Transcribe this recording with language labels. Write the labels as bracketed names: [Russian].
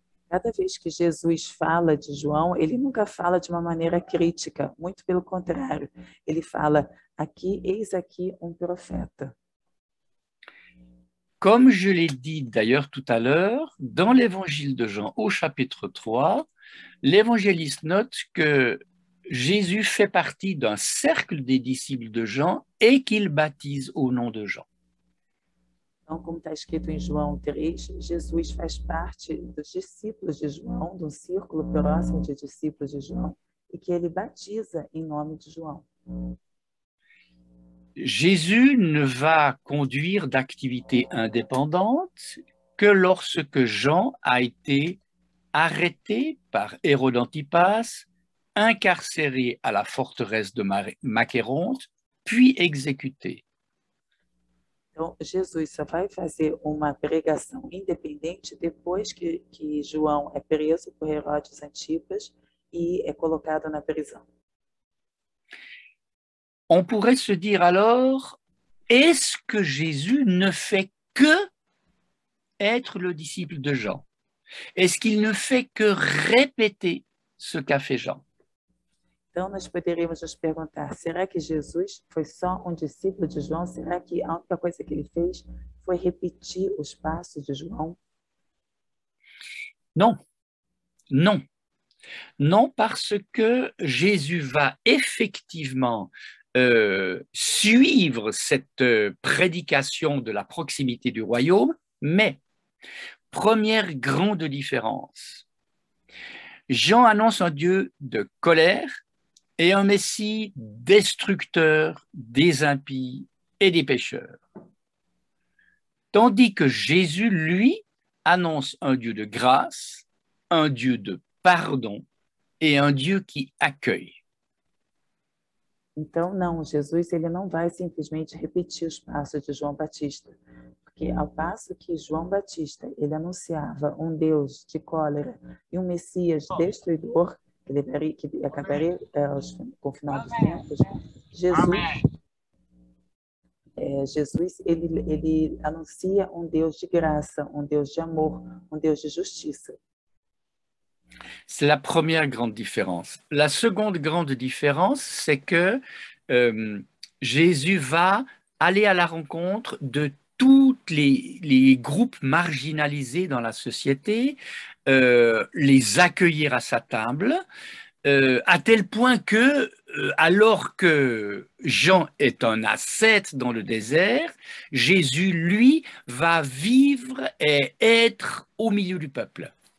[Portuguese] Cada vez que Jesus fala de João, ele nunca fala de uma maneira crítica, muito pelo contrário. Ele fala, aqui, eis aqui um profeta. [French] Comme je l'ai dit d'ailleurs tout à l'heure, dans l'évangile de Jean, au chapitre 3, l'évangéliste note que Jésus fait partie d'un cercle des disciples de Jean et qu'il baptise au nom de Jean. [Portuguese] Então, como está escrito em João 3, Jesus faz parte dos discípulos de João, do círculo próximo de discípulos de João, e que ele batiza em nome de João. [French] Jesus ne va conduire d'activité indépendante que lorsque Jean a été arrêté par Hérode Antipas, incarcéré à la forteresse de Maqueronte, puis exécuté. [Portuguese] Então, Jesus só vai fazer uma pregação independente depois que João é preso por Herodes Antipas e é colocado na prisão. [French] On pourrait se dire alors, est-ce que Jésus ne fait que être le disciple de Jean. Est-ce qu'il ne fait que répéter ce qu'a fait Jean? [Portuguese] Então, nós poderíamos nos perguntar, será que Jesus foi só discípulo de João? Será que a única coisa que ele fez foi repetir os passos de João? Não. Não. Não [French] parce que Jesus va effectivement suivre cette prédication de la proximité du royaume, mais première grande différence, Jean annonce un Dieu de colère et un Messie destructeur des impies et des pécheurs. Tandis que Jésus, lui, annonce un Dieu de grâce, un Dieu de pardon et un Dieu qui accueille. [Portuguese] Então, não, Jesus ele não vai simplesmente repetir os passos de João Batista, porque ao passo que João Batista ele anunciava um Deus de cólera e um Messias destruidor, que acabaria com o final dos tempos, Jesus ele anuncia um Deus de graça, um Deus de amor, um Deus de justiça. [French] C'est la première grande différence. La seconde grande différence, c'est que Jésus va aller à la rencontre de tous les groupes marginalisés dans la société, les accueillir à sa table, à tel point que, alors que Jean est un ascète dans le désert, Jésus, lui, va vivre et être au milieu du peuple.